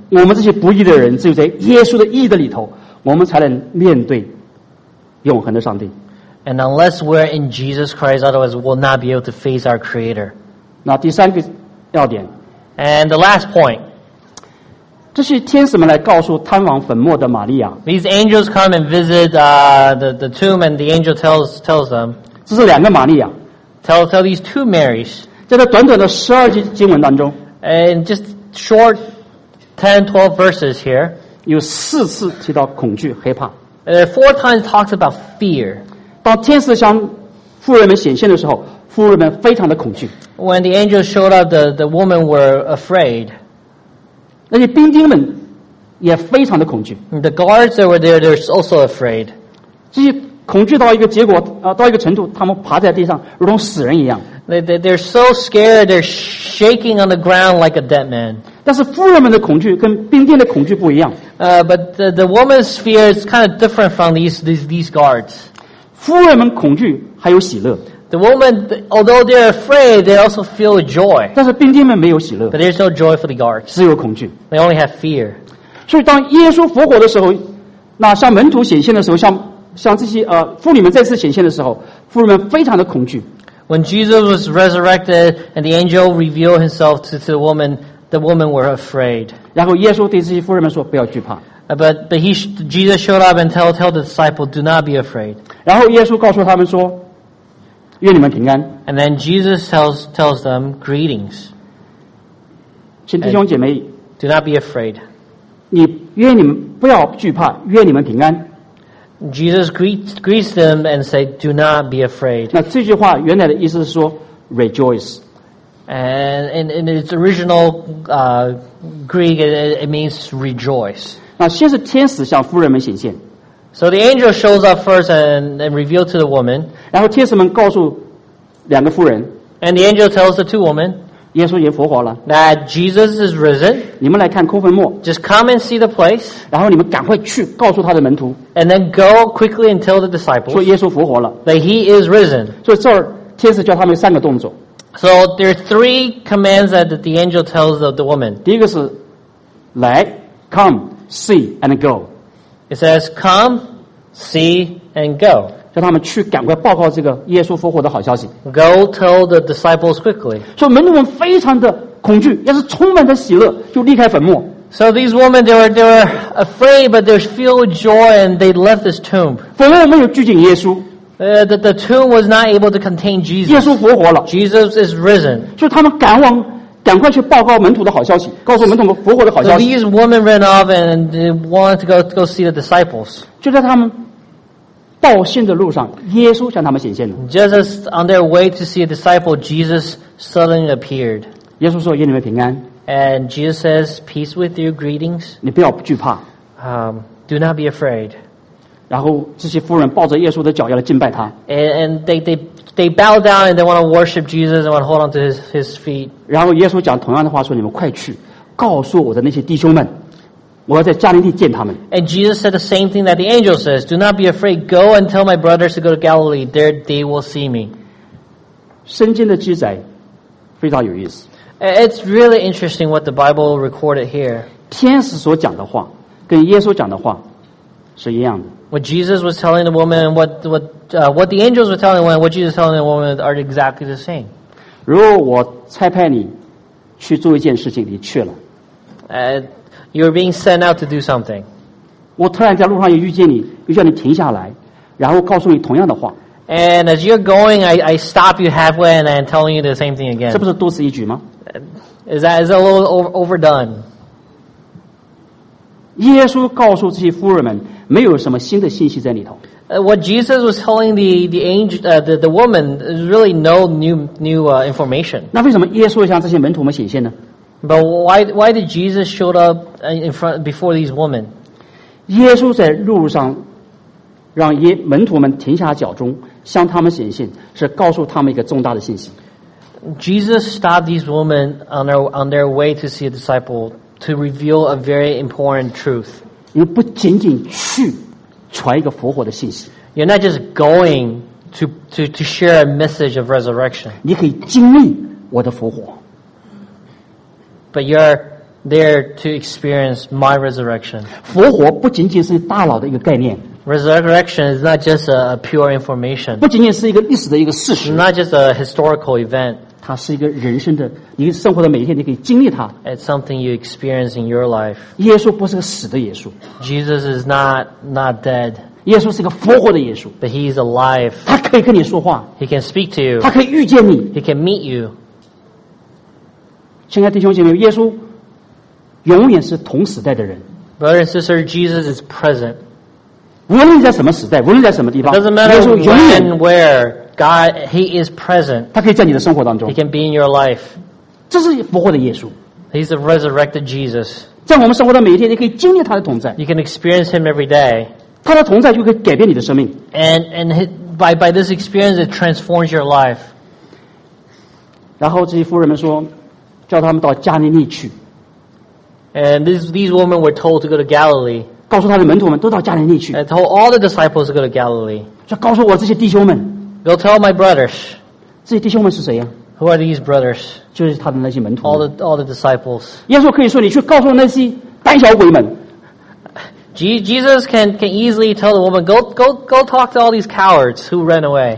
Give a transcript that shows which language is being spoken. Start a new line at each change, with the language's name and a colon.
Chinese: 我们这些不义的人只有在耶稣的义的里头我们才能面对永恒的上帝。
English: And unless we're in Jesus Christ, otherwise we'll not be able to face our Creator.
Chinese: 那第三个要点。
English: And the last point.
Chinese: 这是天使们来告诉瘫痪坟墓的玛利亚。
English: These angels come and visit the tomb and the angel tells them.
Chinese: 这是两个玛利亚。
English: Tell these two Marys.
Chinese: 在这短短的十二节经文当中。
English: And just short 10-12 verses here.
Chinese: 有四次提到恐惧害怕。
English: Four times talks about fear.
Chinese: 当天使向妇人们显现的时候妇人们非常的恐惧。
English: When the angels showed up, the women were afraid.
Chinese: 那些兵丁们也非常的恐惧。
English: The guards that were there, they're also afraid.
Chinese: 这些恐惧到一个结果到一个程度他们爬在地上如同死人一样。
English: They're so scared, they're shaking on the ground like a dead man.
Chinese: 但是妇人们的恐惧跟兵丁的恐惧不一样。
English: But the woman's fear is kind of different from these guards.
Chinese: 妇人们恐惧还有喜乐。
English: The woman, although they're afraid, they also feel joy.
Chinese: 但是兵丁们没有喜乐。
English: But there's no joy for the guards.
Chinese: 只有恐惧。
English: They only have fear.
Chinese: 所以当耶稣复活的时候那向门徒显现的时候像这些妇女们再次显现的时候妇人们非常的恐惧。
English: When Jesus was resurrected and the angel revealed himself to the woman, the women were afraid.
Chinese: 然后耶稣对这些妇人们说不要惧怕。
English: Jesus showed up and tell the disciples, do not be afraid.
Chinese: 然后耶稣告诉他们说愿你们平安。
English: And then Jesus tells them greetings.
Chinese: 请弟兄姐妹
English: do not be afraid.
Chinese: 你愿你们不要惧怕愿你们平安。
English: Jesus greets them and said, do not be afraid.
Chinese: 那这句话原来的意思是说 rejoice.
English: And in its original Greek, it means rejoice.
Chinese: 那先是天使向妇人们显现。
English: So the angel shows up first and revealed to the woman.
Chinese: 然后天使们告诉两个妇人。
English: And the angel tells the two women.
Chinese: 耶稣也复活了。
English: That Jesus is risen.
Chinese: 你们来看空坟墓。
English: Just come and see the place.
Chinese: 然后你们赶快去告诉他的门徒。
English: And then go quickly and tell the disciples.
Chinese: 说耶稣复活了。
English: That he is risen.
Chinese: 所以这儿天使叫他们三个动作。
English: So there are three commands that the angel tells the woman.
Chinese: 第一个是来
English: come, see and go. It says come, see and go.
Chinese: 叫他们去赶快报告这个耶稣复活的好消息。
English: Go tell the disciples quickly.
Chinese: 所以门徒们非常的恐惧，也是充满的喜乐，就离开坟墓。
English: So these women, they were afraid, but they feel joy and they left this tomb.
Chinese: 坟墓没有拘禁耶稣。
English: The tomb was not able to contain Jesus.
Chinese: 耶稣复活了。
English: Jesus is risen.
Chinese: 所以他们赶快去报告门徒的好消息，告诉门徒们复活的好消息。
English: So these women ran off and they wanted to go see the disciples.
Chinese: 就在他们报信的路上耶稣向他们显现了。
English: Jesus on their way to see a disciple, Jesus suddenly appeared.
Chinese: 耶稣说愿你们平安。
English: And Jesus says, peace with you, greetings.
Chinese: 你不要惧怕。
English: Do not be afraid.
Chinese: 然后这些妇人抱着耶稣的脚要来敬拜他。
English: And they bow down and they want to worship Jesus and want to hold on to his feet.
Chinese: 然后耶稣讲同样的话说你们快去告诉我的那些弟兄们。我要在加利利见他们。
English: And Jesus said the same thing that the angel says. Do not be afraid. Go and tell my brothers to go to Galilee. There they will see me.
Chinese: 圣经的记载非常有意思。
English: It's really interesting what the Bible recorded here.
Chinese: 天使所讲的话跟耶稣讲的话是一样的。
English: What Jesus was telling the woman, what the angels were telling the woman, what Jesus was telling the woman are exactly the same.
Chinese: 如果我差派你去做一件事情，你去了。
English: You're being sent out to do something.
Chinese: 我突然在路上也遇见你，又叫你停下来，然后告诉你同样的话。
English: And as you're going, I stop you halfway and I'm telling you the same thing again.
Chinese: 这不是多此一举吗？
English: Is a little overdone.
Chinese: 耶稣告诉这些妇人们，没有什么新的信息在里头。
English: What Jesus was telling the angel, the woman is really no new information.
Chinese: 那为什么耶稣向这些门徒们显现呢？
English: But why did Jesus show up in front before these women?
Chinese: 耶稣在路上让耶门徒们停下脚中向他们显现，是告诉他们一个重大的信息。
English: Jesus stopped these women on their way to see a disciple to reveal a very important truth.
Chinese: 你不仅仅去传一个复活的信息。
English: You're not just going to share a message of resurrection.
Chinese: 你可以经历我的复活。
English: But you're there to experience my resurrection.
Chinese: 复活不仅仅是大脑的一个概念。
English: Resurrection is not just a pure information.
Chinese: 不仅仅是一个历史的一个事实。
English: It's not just a historical event.
Chinese: 它是一个人生的，你生活的每一天，你可以经历它。
English: It's something you experience in your life.
Chinese: 耶稣不是个死的耶稣。
English: Jesus is not dead.
Chinese: 耶稣是个复活的耶稣。
English: But he is alive.
Chinese: 他可以跟你说话。
English: He can speak to you.
Chinese: 他可以遇见你。
English: He can meet you.
Chinese: 亲爱的弟兄姐妹，耶稣永远是同时代的人。
English: Brother and sister, Jesus is present.
Chinese: 无论在什么时代，无论在什么地方，
English: It doesn't matter
Chinese: 耶稣永远
English: when, where. God, He is present.
Chinese: 他可以在你的生活当中。
English: He can be in your life.
Chinese: 这是复活的耶稣。
English: He's the resurrected Jesus.
Chinese: 在我们生活的每一天，你可以经历他的同在。
English: You can experience Him every day.
Chinese: 他的同在就可以改变你的生命。
English: And by this experience, it transforms your life.
Chinese: 然后这些妇人们说，叫他们到加利利去。
English: And these women were told to go to Galilee.
Chinese: 告诉他的门徒们都到加利利去。
English: And told all the disciples to go to Galilee.
Chinese: 就告诉我这些弟兄们。
English: Go tell my brothers.
Chinese: 这些弟兄们是谁呀？
English: Who are these brothers?
Chinese: 就是他的那些门徒。
English: All the disciples.
Chinese: 耶稣可以说你去告诉那些胆小鬼们。
English: Jesus can easily tell the woman, go talk to all these cowards who ran away.